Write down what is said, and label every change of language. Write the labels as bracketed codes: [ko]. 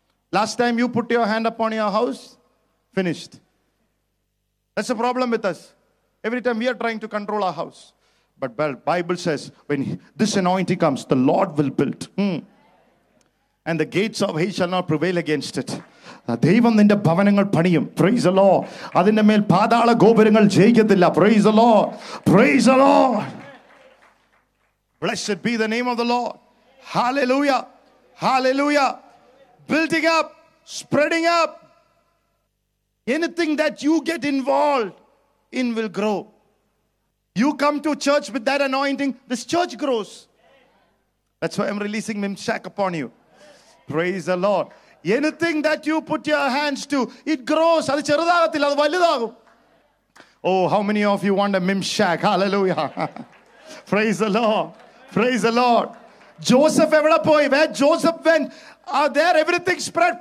[en] Last time you put your hand upon your house, finished. That's the problem with us. Every time we are trying to control our house. But the Bible says when this anointing comes, the Lord will build. And the gates of hate shall not prevail against it. [ml] ദൈവം നിന്റെ ഭവനങ്ങൾ പണിയും. [en] Praise the Lord. [ml] അതിന്റെ മേൽ പാതാള ഗോപുരങ്ങൾ ജയിക്കത്തില്ല. [en] Praise the Lord. Praise the Lord. Blessed be the name of the Lord. Hallelujah. Hallelujah. Building up, spreading up. Anything that you get involved in will grow. You come to church with that anointing, this church grows. That's why I'm releasing മിംഷാക്ക് upon you. Praise the Lord. Anything that you put your hands to, it grows. [ml] Adu cheradagathil adu valudagum. [en] Oh, how many of you want a Mimshach? Hallelujah. Praise the Lord. Praise the Lord. Joseph [ml] evada poi, [en] where Joseph went, there everything spread.